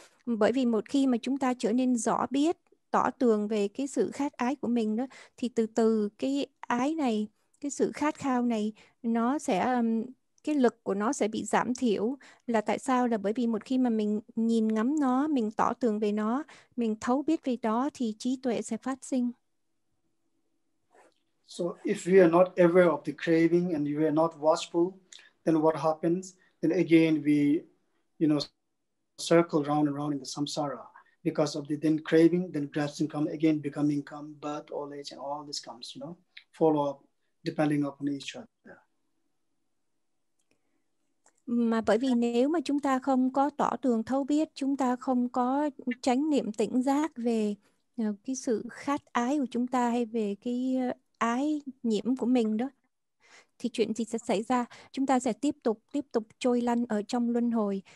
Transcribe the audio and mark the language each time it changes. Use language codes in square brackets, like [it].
[vi] Bởi vì một khi mà chúng ta trở nên rõ biết, tỏ tường về cái sự khát ái của mình đó, thì từ từ cái ái này, cái sự khát khao này nó sẽ cái lực của nó sẽ bị giảm thiểu. Là tại sao? Là bởi vì một khi mà mình nhìn ngắm nó, mình tỏ tường về nó, mình thấu biết về đó, thì trí tuệ sẽ phát sinh. [en] So if we are not aware of the craving and we are not watchful, then what happens? Then again we, you know, circle round and round in the samsara. Because of the then craving, then grasping come again, becoming come, birth, old age, and all this comes, you know, follow up depending upon each other. [vi] Mà bởi vì nếu mà chúng ta không có tỏ tường thấu biết, chúng ta không có chánh niệm tỉnh giác về cái sự khát ái của chúng ta hay về cái ái nhiễm của mình đó, thì chuyện gì sẽ xảy ra? Chúng ta sẽ tiếp tục trôi lăn ở trong luân hồi.